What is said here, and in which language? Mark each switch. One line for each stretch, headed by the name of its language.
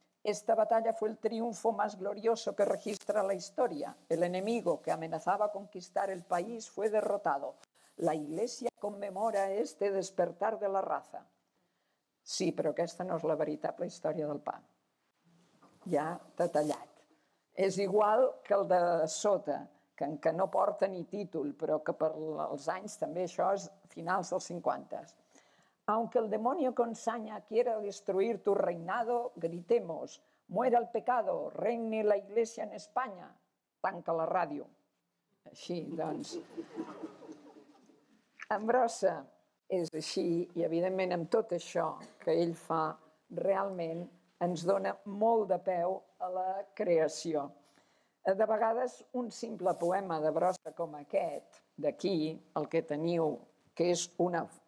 Spanish: Esta batalla fue el triunfo más glorioso que registra la historia. El enemigo que amenazaba conquistar el país fue derrotado. La iglesia conmemora este despertar de la raza.
Catalan: Sí, però aquesta no és la veritable història del pa. Ja t'ha tallat. És igual que el de sota, que no porta ni títol, però que per els anys també això és finals dels 50.
Spanish: Aunque el demonio con saña quiera destruir tu reinado, gritemos, muera el pecado, reine la iglesia en España.
Catalan: Tanca la ràdio. Així, doncs. En Brossa és així, i evidentment amb tot això que ell fa, realment ens dona molt de peu a la creació. De vegades, un simple poema de brossa com aquest, d'aquí, el que teniu, que és una...